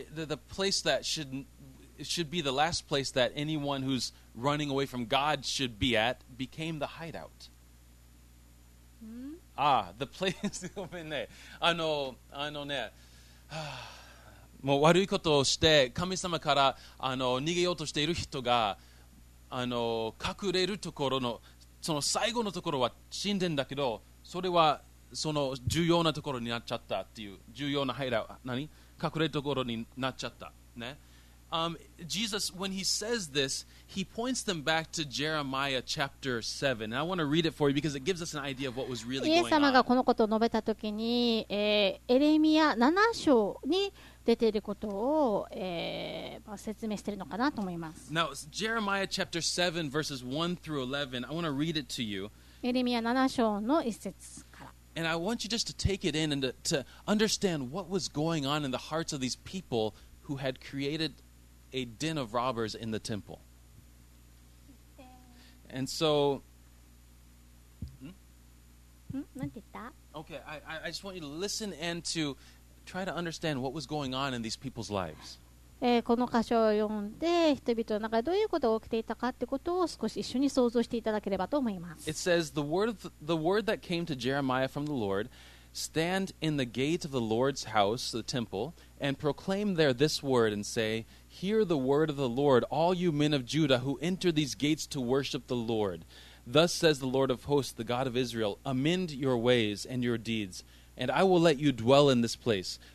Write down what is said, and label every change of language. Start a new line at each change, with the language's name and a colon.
English: The place that should be the last place that anyone who's running away from God should be at became the hideout. Ah, the place.
Japanese: ごめんね。あのね。もう悪いことをして神様からあの逃げようとしている人があの隠れるところのその最後のところは神殿だけどそれはその重要なところになっちゃったっていう重要な入ら何隠れるところになっちゃったね。
English: Jesus, when he says this, he points them back to Jeremiah chapter 7. And I want to read it for you because it gives us an idea of what was really going on.
Japanese: イエス様がこのことを述べたときに、エレミア7章に出ていることを、説明しているのかなと思います。
English: Now, Jeremiah chapter 7, verses 1 through 11. I want to read it to you.
Japanese: エレミア7章の1節。
English: And I want you just to take it in and to understand what was going on in the hearts of these people who had created a den of robbers in the temple. And so... Okay, I just want you to listen and to try to understand what was going on in these people's lives.
Japanese: この箇所を読んで人々の中でどういうことが起きていたかってことを少し一緒に想像していただければと思います。
English: It says, the word that came to Jeremiah from the Lord, stand in the gate of the Lord's house, the temple, and proclaim there this word and say, hear the word of the Lord, all you men of Judah who enter these gates to worship the Lord. Thus says the Lord of hosts, the God of Israel, amend your ways and your deeds, and I will let you dwell in this place.